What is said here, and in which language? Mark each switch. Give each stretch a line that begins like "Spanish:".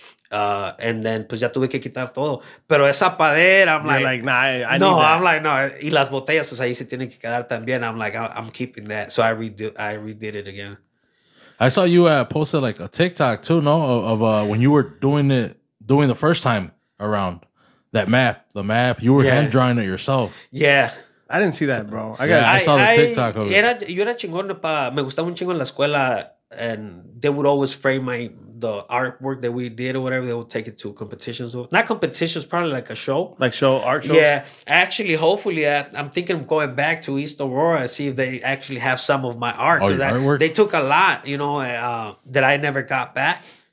English: And then,
Spanish: pues ya tuve que quitar todo. Pero esa pared,
English: I'm like,
Spanish: y las botellas, pues ahí se tienen que quedar también.
English: I'm like, I'm keeping that. So I redid it again. I saw you posted like a TikTok too, no? Of when you were doing the first time around that map, you were hand drawing it yourself. Yeah. I didn't see that, bro. I saw the TikTok of it.
Spanish: Yo era chingón, me gustaba un chingo en la escuela.
English: And they would always frame the artwork that we did or whatever. They would take it to competitions. Not competitions, probably like a show. Like show, art shows? Yeah. Actually, hopefully, I'm thinking of going back to East Aurora to see if they actually have some of my art. Oh, artwork? They took a lot, you know, that I never got back.